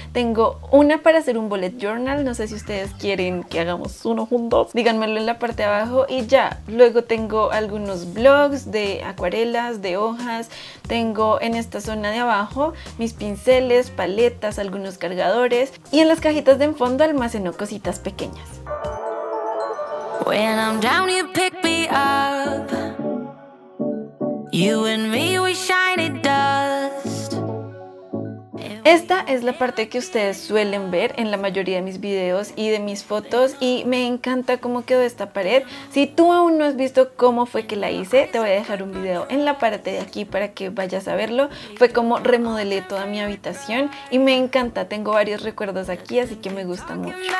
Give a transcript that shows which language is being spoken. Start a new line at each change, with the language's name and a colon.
Spanish: Tengo una para hacer un bullet journal. No sé si ustedes quieren que hagamos uno juntos. Díganmelo en la parte de abajo y ya. Luego tengo algunos blocs de acuarelas, de hojas. Tengo en esta zona de abajo mis pinceles, paletas, algunos cargadores. Y en las cajitas de en fondo almaceno cositas pequeñas.
English: When I'm down, you pick me up. You and me, we shine it dust.
Spanish: Esta es la parte que ustedes suelen ver en la mayoría de mis videos y de mis fotos y me encanta cómo quedó esta pared. Si tú aún no has visto cómo fue que la hice, te voy a dejar un video en la parte de aquí para que vayas a verlo. Fue como remodelé toda mi habitación y me encanta, tengo varios recuerdos aquí, así que me gusta mucho.